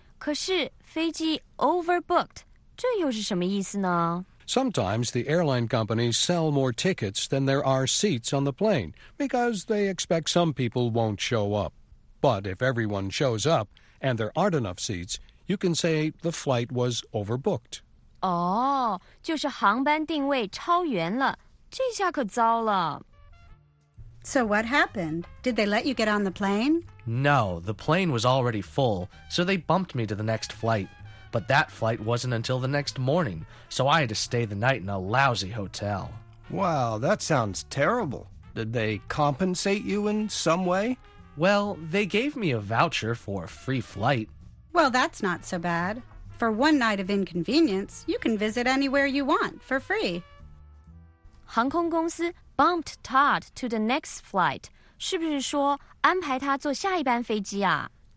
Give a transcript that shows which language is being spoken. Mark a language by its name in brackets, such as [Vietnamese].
[Chinese] 可是飞机 overbooked， 这又是什么意思呢 [English] ？Sometimes the airline companies sell more tickets than there are seats on the plane because they expect some people won't show up. But if everyone shows up and there aren't enough seats, you can say the flight was overbooked. [Chinese] 哦，就是航班定位超员了，这下可糟了。 [English] So what happened? Did they let you get on the plane? No, the plane was already full, so they bumped me to the next flight. But that flight wasn't until the next morning, so I had to stay the night in a lousy hotel. Wow, that sounds terrible. Did they compensate you in some way? Well, they gave me a voucher for a free flight. Well, that's not so bad. For one night of inconvenience, you can visit anywhere you want for free. [Chinese] 航空公司 [English] bumped Todd to the next flight. [Chinese] 是不是说安排他坐下一班飞机啊?